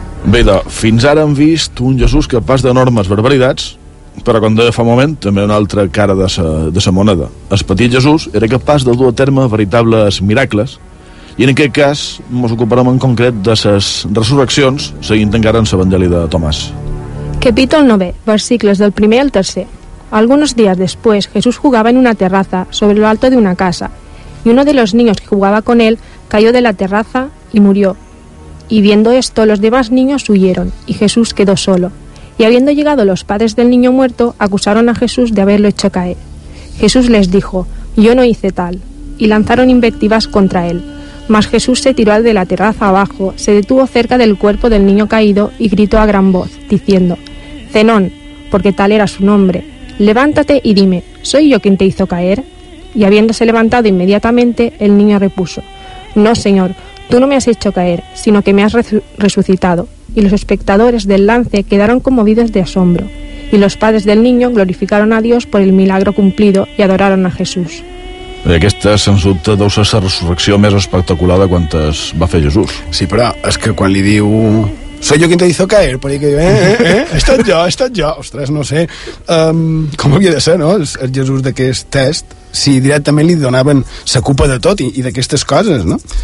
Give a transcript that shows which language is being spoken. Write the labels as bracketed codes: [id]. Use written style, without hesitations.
[ca] Bé, doncs, fins ara hem vist un Jesús capaç d'enormes barbaritats, però quan deia fa un moment, també una altra cara de sa moneda. El petit Jesús era capaç de dur a terme veritables miracles, i en aquest cas ens ocuparem en concret de les resurreccions, seguint encara en l'Evangeli de Tomàs. Capítol 9, versicles del 1 al 3. [es] Algunos días después, Jesús jugaba en una terraza sobre lo alto de una casa, y uno de los niños que jugaba con él cayó de la terraza y murió. Y viendo esto, los demás niños huyeron, y Jesús quedó solo. Y habiendo llegado los padres del niño muerto, acusaron a Jesús de haberlo hecho caer. Jesús les dijo: «Yo no hice tal», y lanzaron invectivas contra él. Mas Jesús se tiró de la terraza abajo, se detuvo cerca del cuerpo del niño caído y gritó a gran voz, diciendo: «Zenón», porque tal era su nombre, «levántate y dime, ¿soy yo quien te hizo caer?». Y habiéndose levantado inmediatamente, el niño repuso: «No, señor, tú no me has hecho caer, sino que me has resucitado». Y los espectadores del lance quedaron conmovidos de asombro. Y los padres del niño glorificaron a Dios por el milagro cumplido y adoraron a Jesús. [ca] Aquesta, sens dubte, deu ser la resurrecció més espectacular de quan es va fer Jesús. Sí, però és que quan li diu: [es] «Soy yo quien te hizo caer», [ca] per ahí que diu: he estat jo, ostres, no sé, com havia de ser, no?, el Jesús d'aquest test, si directament li donaven la culpa de tot i d'aquestes coses, no?